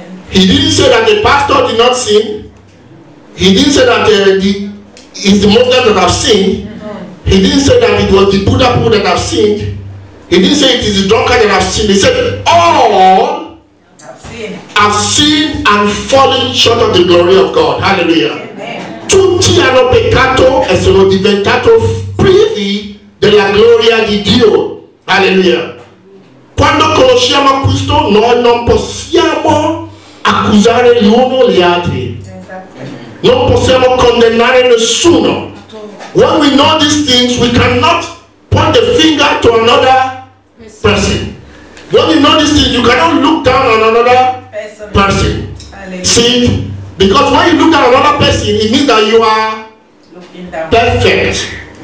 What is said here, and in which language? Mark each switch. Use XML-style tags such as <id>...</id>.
<en>He didn't say that the pastor did not sin. He didn't say that he's the mother that have sinned. He didn't say that it was the Buddha who that have sinned. He didn't say it is the drunkard that have sinned. He said, all have sinned and fallen short of the glory of God. Hallelujah. Amen.</en> <it>Tutti hanno peccato e sono diventato privi della gloria di Dio. Hallelujah. Quando conosciamo questo, noi non possiamo accusare l'uno gli altri. Esatto. Non possiamo condannare nessuno.</it> <en>When we know these things, we cannot point the finger to another person. When you know this thing, you cannot look down on another person. See? Because when you look at another person, it means that you are perfect.</en>